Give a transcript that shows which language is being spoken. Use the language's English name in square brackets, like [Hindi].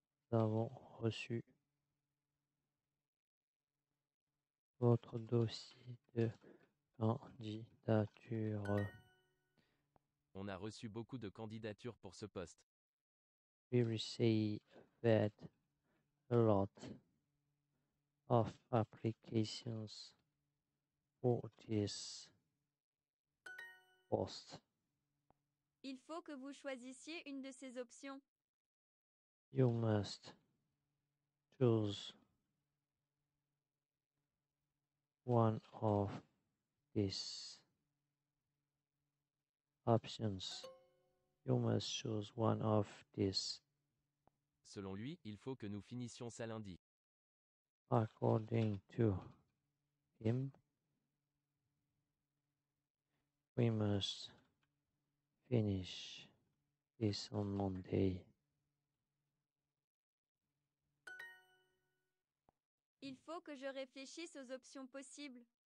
[French] Nous avons reçu votre dossier de candidature. On a reçu beaucoup de candidatures pour ce poste. [English] We received a lot of applications for this post. [French] Il faut que vous choisissiez une de ces options. [English] You must choose one of these options. You must choose one of these. [French] Selon lui, il faut que nous finissions ça lundi. [English] According to him, we must finish this on Monday. [French] Il faut que je réfléchisse aux options possibles.